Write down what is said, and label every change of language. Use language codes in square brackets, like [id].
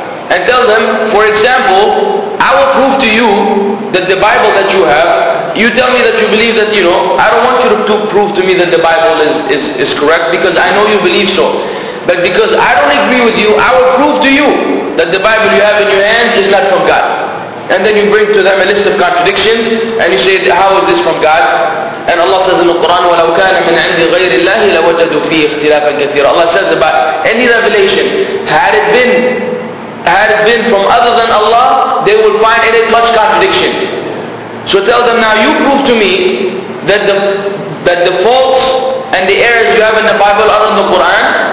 [en] And tell them, for example, I will prove to you that the Bible that you have, you tell me that you believe that, you know, I don't want you to prove to me that the Bible is correct, because I know you believe so. But because I don't agree with you, I will prove to you that the Bible you have in your hands is not from God. And then you bring to them a list of contradictions and you say, how is this from God? And Allah says in the Quran, [ar] وَلَوْ كَانَ مِنْ عِنْدِ غَيْرِ اللَّهِ لَوَجَدُوا فِيهِ اخْتِلَافًا كَثِيرًا. [en] Allah says about any revelation, had it been from other than Allah, they would find in it much contradiction. So tell them, now you prove to me that the faults and the errors you have in the Bible are in the Quran.